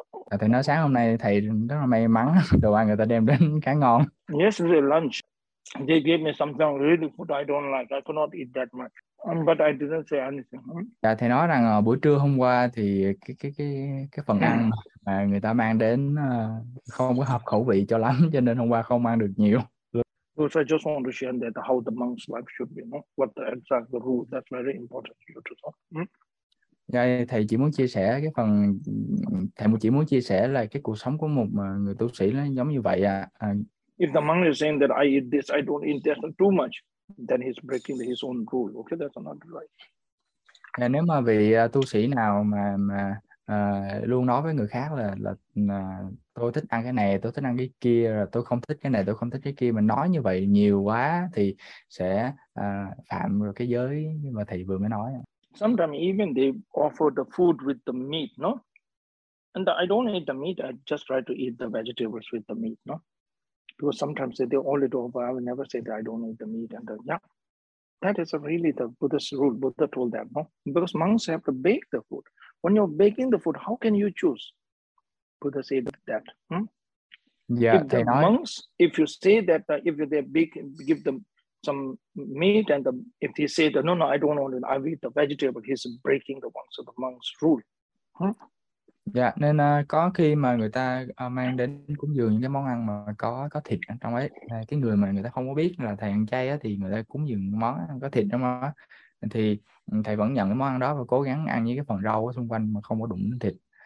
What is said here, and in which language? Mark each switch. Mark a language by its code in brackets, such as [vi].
[vi] À, thầy nói sáng hôm nay thầy rất là may mắn, đồ ăn người ta đem đến khá ngon. [en] Yesterday lunch, they gave me something really food I don't like. I cannot eat that much. But I didn't say anything. [vi] À, thầy nói rằng buổi trưa hôm qua thì cái phần ăn mà người ta mang đến không có hợp khẩu vị cho lắm, cho nên hôm qua không ăn được nhiều. [en] Because I just want to share that how the monk's life should be, no? What the exact the rule, that's very important for you to know. [vi] Thầy chỉ muốn chia sẻ cái phần thầy chỉ muốn chia sẻ là cái cuộc sống của một người tu sĩ nó giống như vậy ạ. À. [en] If the monk is saying that I eat this, I don't eat this too much, then he's breaking his own rule. Okay, that's not right. [vi] À, nếu mà vị tu sĩ nào mà luôn nói với người khác là tôi thích ăn cái này, tôi thích ăn cái kia, rồi tôi không thích cái này, tôi không thích cái kia, mà nói như vậy nhiều quá thì sẽ phạm rồi cái giới mà thầy vừa mới nói. [en] Sometimes even they offer the food with the meat, no? And I don't eat the meat, I just try to eat the vegetables with the meat, no? Because sometimes they only do, but I will never say that I don't eat the meat. And yeah, that is really the Buddhist rule. Buddha told that, no? Because monks have to bake the food. When you're baking the food, how can you choose? Buddha said that. [vi] Dạ, [en] If the [vi] thầy nói. [en] monks, if you say that, if they bake, give them some meat and the, if he said no no I don't want it I eat the vegetable he's breaking the ones of the monk's rule [vi] Dạ, nên có khi mà người ta mang đến cúng dường những cái món ăn mà có thịt ở trong ấy, cái người mà người ta không có biết là thầy ăn chay á, thì người ta cúng dường món ăn có thịt trong đó, thì thầy vẫn nhận cái món ăn đó và cố gắng ăn với cái phần rau ở xung quanh mà không có đụng đến thịt.